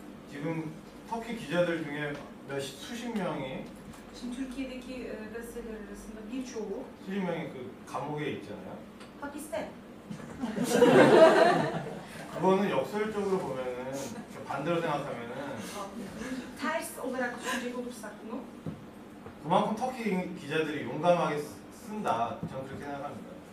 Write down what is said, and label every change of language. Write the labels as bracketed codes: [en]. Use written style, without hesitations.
[ko] 지금 터키 기자들 중에 몇 수십 명이. [tr] 지금 Türkiye'deki gazeteler arasında birçoğu. [ko] 수십 명이 그 감옥에 있잖아요. 파키스탄. 그거는 역설적으로 보면은 반대로 생각하면은 [tr] ters olarak düşünecek olursak bunu [ko] 그만큼 터키 기자들이 용감하게 쓴다 저는 그렇게 생각합니다.